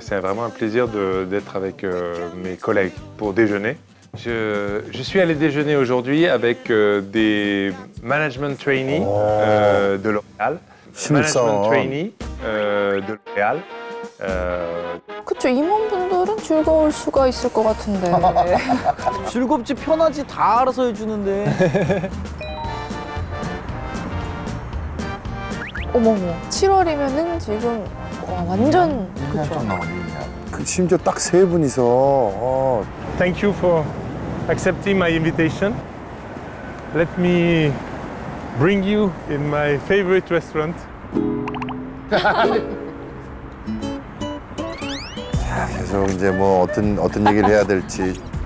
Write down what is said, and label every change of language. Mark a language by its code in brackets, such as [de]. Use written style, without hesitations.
[fr] C'est vraiment un plaisir d'être avec mes collègues pour déjeuner. Je suis allé déjeuner aujourd'hui avec des management trainees de L'Oréal. Management trainees de L'Oréal. [ko] 그쵸, 임원분들은 즐거울 수가 있을 것 같은데. 즐겁지, 편하지, 다 알아서 해주는데. 어머머, 7월이면은 지금 와, 완전 그쵸. 그 심지어 딱 세 분이서. [en] Thank you for accepting my invitation. Let me bring you in my favorite restaurant. [ko] 자, 계속 이제 뭐 어떤 얘기를 해야 될지.